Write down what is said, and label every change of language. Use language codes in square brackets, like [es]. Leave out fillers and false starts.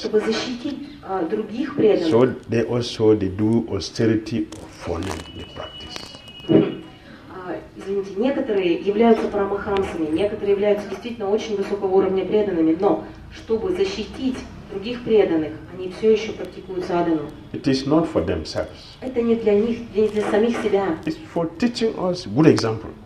[ru] чтобы защитить других преданных, [en] so they also do austerity of following the practice. [ru] Извините, некоторые являются парамахамсами, некоторые являются действительно очень высокого уровня преданными, но чтобы защитить других преданных, они все еще практикуют садхану. [en] It is not for themselves. [ru] Это не для них, не для самих себя. [en] It's for teaching us good example.